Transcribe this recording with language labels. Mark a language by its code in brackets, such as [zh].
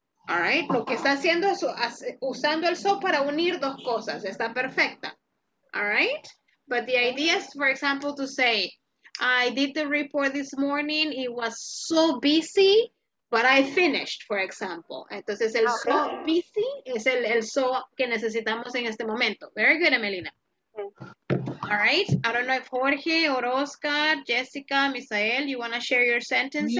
[es] All right, lo que está haciendo es usando el so para unir dos cosas, está perfecta. [en] All right, but the idea is, for example, to say, I did the report this morning, it was so busy, but I finished, for example. [es] Entonces, el okay. So busy es el so que necesitamos en este momento. [en] Very good, Emelina. Okay. All right. I don't know if Jorge or Oscar, Jessica, Misael, you want to share your sentences?